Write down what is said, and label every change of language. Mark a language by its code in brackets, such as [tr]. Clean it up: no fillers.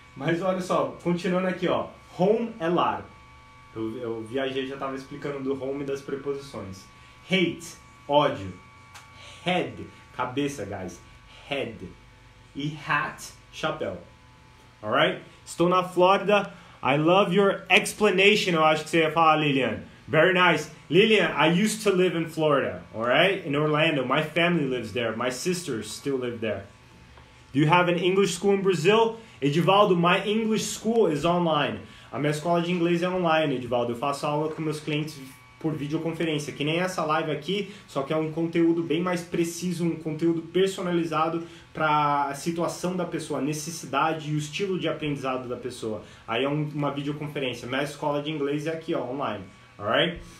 [pt] Mas olha só, continuando aqui, ó. Home é lar. Eu viajei, já tava explicando do home e das preposições. [en] Hate, ódio. Head, cabeça, guys. Head. [pt] E hat, chapéu. Alright? Estou na Flórida. I love your explanation, eu acho que você ia falar, Lilian. [en] Very nice. Lilian, I used to live in Florida, alright? In Orlando. My family lives there. My sisters still live there. Do you have an English school in Brazil? Edivaldo, my English school is online. [pt] A minha escola de inglês é online, Edivaldo. Eu faço aula com meus clientes por videoconferência, que nem essa live aqui, só que é um conteúdo bem mais preciso, um conteúdo personalizado para a situação da pessoa, a necessidade e o estilo de aprendizado da pessoa. Aí é uma videoconferência. Minha escola de inglês é aqui, ó, online. Alright?